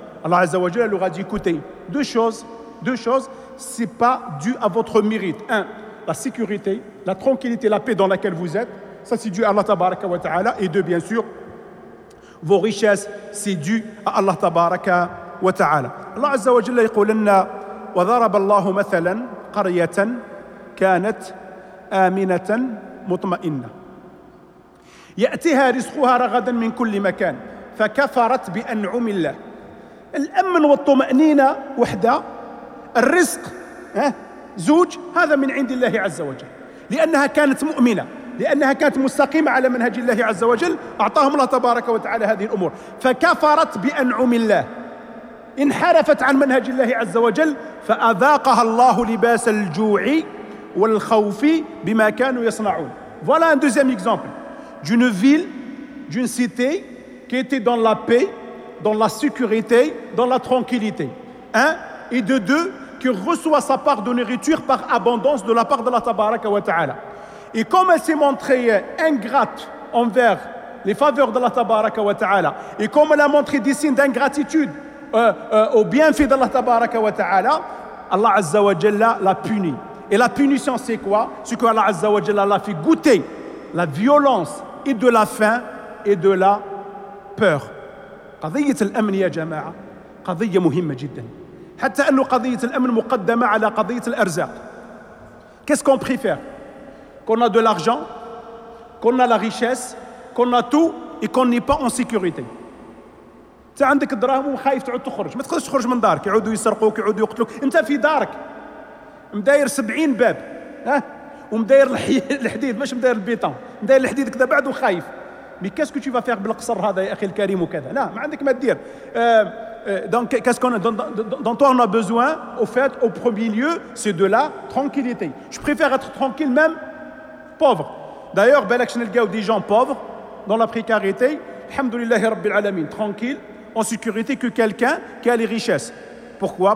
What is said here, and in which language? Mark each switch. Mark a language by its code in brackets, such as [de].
[fr] Allah Azza wa Jalla leur a dit, écoutez, deux choses, ce n'est pas dû à votre mérite. Un, la sécurité, la tranquillité, la paix dans laquelle vous êtes, ça c'est dû à Allah tabaraka wa ta'ala. Et deux, bien sûr, vos richesses, c'est dû à Allah tabaraka wa ta'ala. [ar] Allah Azza wa Jalla يقول لنا وضرب الله مثلا قرية كانت آمنة مطمئنة يأتيها رزقها رغدا من كل مكان فكفرت بأنعم الله. الأمن والطمأنينة وحدة، الرزق زوج، هذا من عند الله عز وجل، لأنها كانت مؤمنة، لأنها كانت مستقيمة على منهج الله عز وجل، أعطاهم الله تبارك وتعالى هذه الأمور. فكفرت بأنعم الله، انحرفت عن منهج الله عز وجل، فأذاقها الله لباس الجوع والخوف بما كانوا يصنعون. [fr] Voilà un deuxième exemple d'une ville, d'une cité qui était dans la paix, dans la sécurité, dans la tranquillité. Et de deux, qui reçoit sa part de nourriture par abondance de la part de la tabaraka wa ta'ala. Et comme elle s'est montrée ingrate envers les faveurs de la tabaraka wa ta'ala, et comme elle a montré des signes d'ingratitude au bienfait de la tabaraka wa ta'ala, Allah Azza wa Jalla l'a punie. Et la punition, c'est quoi? C'est que Allah Azza wa Jalla l'a fait goûter la violence et de la faim et de la peur. [ar] قضية الأمن يا جماعة قضية مهمة جدا. حتى أن قضية الأمن مقدمة على قضية الأرزاق. [fr] Qu'est-ce qu'on préfère? Qu'on a de l'argent, qu'on a la richesse, qu'on a tout et qu'on n'est pas en sécurité. [ar] أنت عندك الدراهم وخايف تعود تخرج، ما تقدرش تخرج من دارك، يعودوا يسرقوك، يعودوا يقتلوك، أنت في دارك مداير 70 باب ومداير الحديد، مش مداير البيتون، مداير الحديد كذا بعد وخايف. [fr] Mais qu'est-ce que tu vas faire [ar] بالقصر هذا يا أخي الكريم وكذا؟ لا ما عندك ما تدير. [fr] Donc, qu'est-ce qu'on a dont on a besoin, au fait, au premier lieu, c'est de la tranquillité. Je préfère être tranquille, même pauvre. D'ailleurs, Belak Chenelgaou, des gens pauvres, dans la précarité, [ar] Alhamdulillahi Rabbil Alamin, [fr] tranquille, en sécurité que quelqu'un qui a les richesses. Pourquoi ?